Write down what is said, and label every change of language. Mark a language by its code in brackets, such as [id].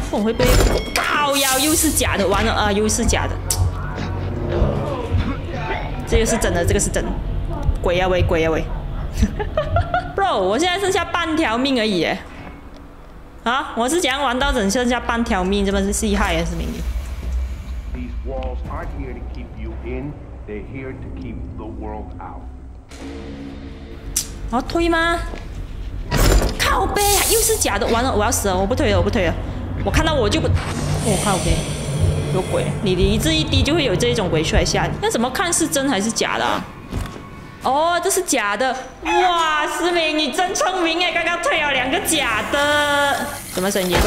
[zh] 我会被靠腰，又是假的，完了啊，又是假的。这个是真的，这个是真的。鬼啊喂，鬼啊喂！Bro， 我现在剩下半条命而已耶。啊，我是怎样玩到只剩下半条命，这么厉害啊，是明明。 [en] These walls aren't here to keep you in. They're here to keep the world out. [zh] 我推吗？靠背、啊、又是假的，完了，我要死了，我不推了，我不推了，我看到我就不，我、哦、靠背，有鬼，你理智一低就会有这种鬼出来吓你，那怎么看是真还是假的、啊？哦，这是假的，哇，思明你真聪明哎，刚刚推了两个假的，什么声音？